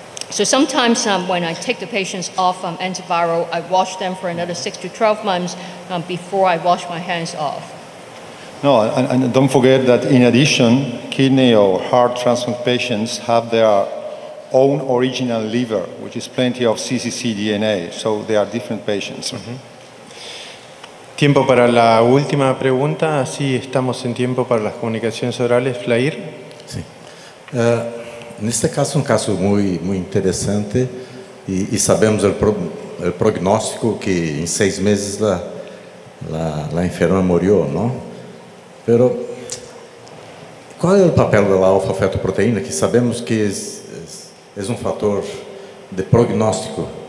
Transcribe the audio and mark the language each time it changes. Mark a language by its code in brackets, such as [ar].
[en] So sometimes when I take the patients off antiviral, I wash them for another 6 to 12 months before I wash my hands off. No, and don't forget that in addition, kidney or heart transplant patients have their own original liver, which is plenty of CCC DNA, so they are different patients. [es] Tiempo para la última pregunta. Sí, estamos en tiempo para las comunicaciones orales. Flair. Sí. [pt] Neste caso, um caso muito interessante, e sabemos o prognóstico, que em 6 meses a enferma morreu, não? Mas qual é o papel da alfa-fetoproteína, que sabemos que é um fator de prognóstico?